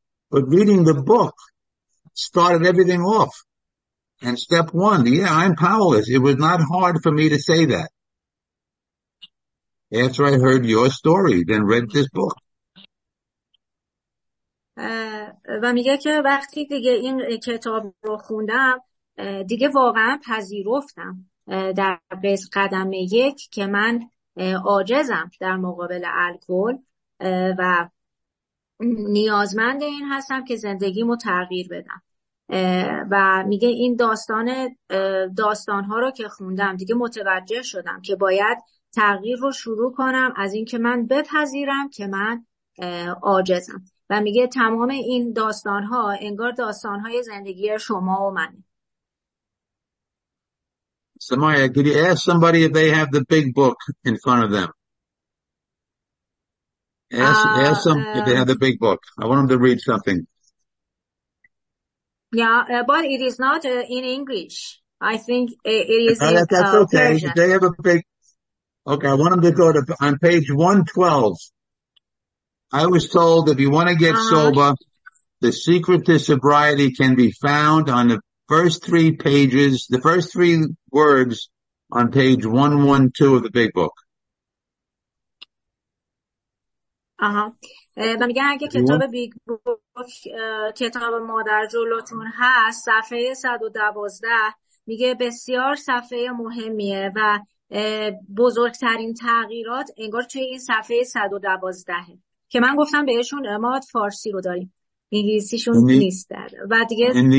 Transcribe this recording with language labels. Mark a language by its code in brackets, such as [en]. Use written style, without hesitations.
[en] But reading the book started everything off. And step one, yeah, I'm powerless. It was not hard for me to say that. After I heard your story, then read this book. [fa] و میگه که وقتی دیگه این کتاب رو خوندم دیگه واقعا پذیرفتم در قدم یک که من عاجزم در مقابل الکل و نیازمند این هستم که زندگیمو تغییر بدم و میگه این داستان داستانها رو که خوندم دیگه متوجه شدم که باید تغییر رو شروع کنم از این که من بپذیرم که من عاجزم و میگه تمام این داستان‌ها انگار داستان‌های زندگی شما و منه. [en] Samaya, could you ask somebody if they have the big book in front of them? Ask them if they have the big book. I want them to read something. Yeah, but it is not in English. I think it is in Persian. That's okay. Persian. If they have a big... Okay, I want them to go to on page 112. I was told if you want to get sober, the secret to sobriety can be found on the first three pages, the first three words on page 112 of the big book. [fa] میگن اگه کتاب بیگ بوک کتاب مادر جلوتون هست صفحه 112 میگه بسیار صفحه مهمیه و بزرگترین تغییرات انگار توی این صفحه 112 که من گفتم بهشون ما فارسی رو داریم انگلیسیشون نیست و دیگه